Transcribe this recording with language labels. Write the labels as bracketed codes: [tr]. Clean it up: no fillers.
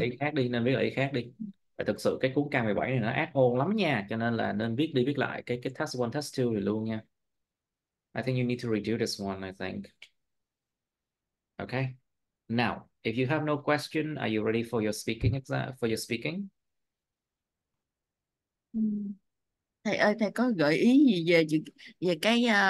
[vi] thầy? ý khác đi, nên viết lại ý khác đi. Và thực sự cái cuốn K17 này nó ác ôn lắm nha, cho nên là nên viết đi viết lại cái test 1, test 2 này luôn nha. [en] I think you need to redo this one, I think. Okay. Now, if you have no question, are you ready for your speaking exam, for your speaking? [vi] Thầy ơi, thầy có gợi ý gì về về cái